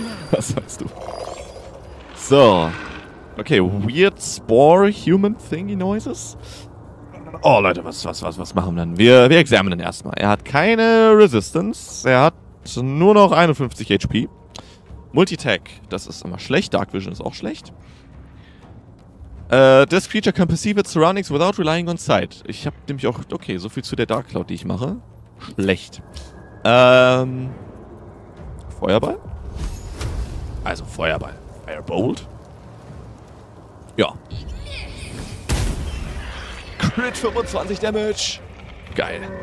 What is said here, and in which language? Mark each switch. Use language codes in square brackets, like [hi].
[de] Was sagst du? So. Okay, [en] weird spore human thingy noises. [de] Oh, Leute, was machen wir dann? Wir examinen erstmal. Er hat keine Resistance. Er hat nur noch 51 HP. Multitag, das ist immer schlecht. Dark Vision ist auch schlecht. [en] This creature can perceive its surroundings without relying on sight. [de] Ich habe nämlich auch... Okay, so viel zu der Dark Cloud, die ich mache. Schlecht. Feuerball? Also Feuerball. Firebolt? Ja. Crit 25 Damage. Geil.